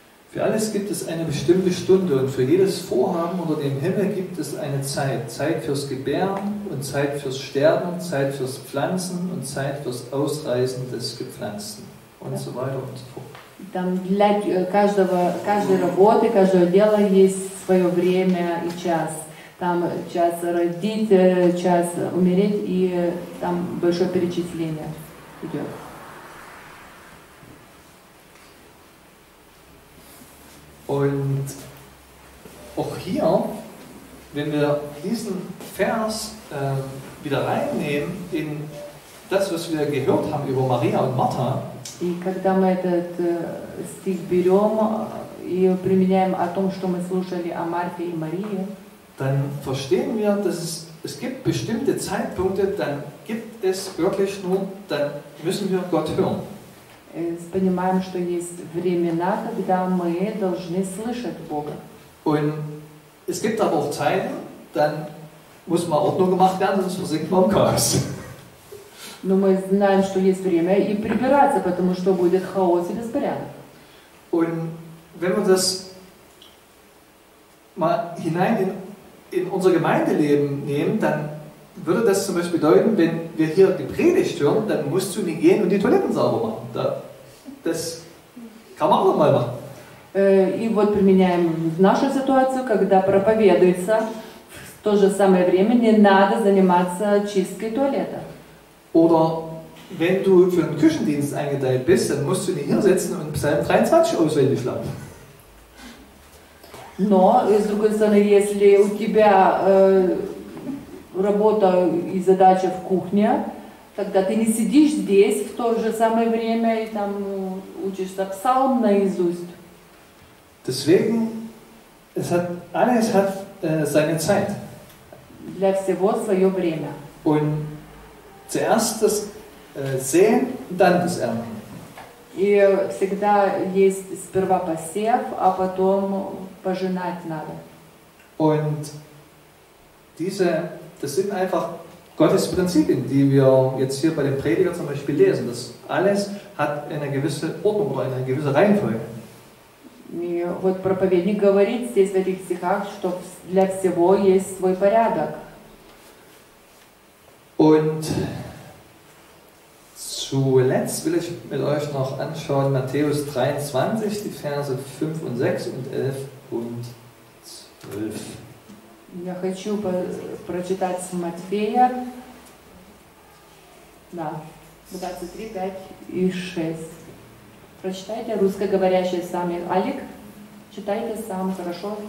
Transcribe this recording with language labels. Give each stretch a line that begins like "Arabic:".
German: Für alles gibt es eine bestimmte Stunde und für jedes Vorhaben unter dem Himmel gibt es eine Zeit. Zeit fürs Gebären und Zeit fürs Sterben, Zeit fürs Pflanzen und Zeit fürs Ausreißen des Gepflanzten. Und so weiter und so fort.
Russian: Там для каждого, каждой работы, каждого дела есть свое время и час. Там час родить, час умереть, и там большое перечисление идет.
German: Und auch hier, wenn wir diesen Vers wieder reinnehmen in das, was wir gehört haben über Maria und Martha.
Russian: И когда мы этот стих берем и применяем о том, что мы слушали о Марте и Марии,
German: dann verstehen wir, dass es gibt bestimmte Zeitpunkte, dann gibt es wirklich nur, dann müssen wir Gott hören.
Russian: Понимаем, что есть времена, когда мы должны слышать Бога.
German: Und es gibt aber auch Zeiten, dann muss mal Ordnung gemacht werden, sonst versinkt man im Chaos.
Russian: Но мы знаем, что есть время и прибираться, потому что будет хаос и беспорядок.
German: Und wenn wir das mal hinein in unser Gemeindeleben nehmen, dann würde das zum Beispiel bedeuten, wenn wir hier die Predigt hören, dann musst du nicht gehen und die Toiletten sauber machen. Das kann man auch mal machen.
Russian: И вот применяем нашу ситуацию, когда проповедуется, в то же самое время не надо заниматься чисткой туалета.
German: Oder wenn du für den Küchendienst eingeteilt bist, dann musst du ihn hier setzen und Psalm 23 auswendig lernen.
Russian: Но, с другой стороны, если у тебя работа и задача в кухне, тогда ты не сидишь здесь в то же самое время и там учишься Псалм наизусть.
German: Deswegen, alles hat seine Zeit.
Russian: Для всего свое время.
German: Und zuerst das Säen, dann das Ernten.
Russian: И всегда есть сперва посев, а потом пожинать надо.
German: Und diese, das sind einfach Gottes Prinzipien, die wir jetzt hier bei dem Prediger zum Beispiel lesen. Das alles hat eine gewisse Ordnung oder eine gewisse Reihenfolge.
Russian: И вот проповедник говорит здесь в этих стихах, что для всего есть свой порядок.
German: Und zuletzt will ich mit euch noch anschauen Matthäus 23, die Verse 5 und 6 und 11 und 12.
Russian: Я хочу прочитать Матфея 23, 5 и 6. Прочитайте русскоговорящие сами. Алик, читайте сам, хорошо?